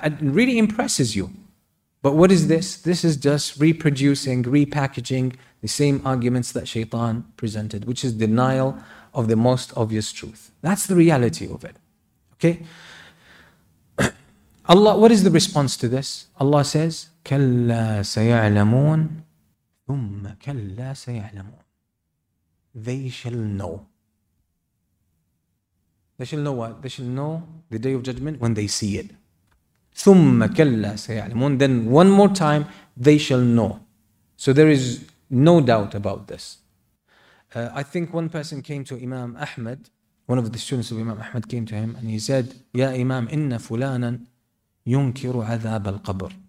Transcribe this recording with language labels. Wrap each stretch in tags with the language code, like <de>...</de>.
<en>And it really impresses you. But what is this? This is just reproducing, repackaging the same arguments that Shaitan presented, which is denial of the most obvious truth. That's the reality of it. Okay? Allah, what is the response to this? Allah says,</en> <ar>كَلَّا سَيَعْلَمُونَ ثُمَّ كَلَّا سَيَعْلَمُونَ.</ar> <en>They shall know. They shall know what? They shall know the Day of Judgment when they see it.</en> <ar>ثُمَّ كَلَّا سَيَعْلَمُونَ.</ar> <en>Then one more time, they shall know. So there is no doubt about this. I think one person came to Imam Ahmad, one of the students of Imam Ahmad came to him, and he said,</en> <ar>يَا إِمَامِ إِنَّ فُلَانًا يُنْكِرُ عَذَابَ الْقَبْرِ.</ar>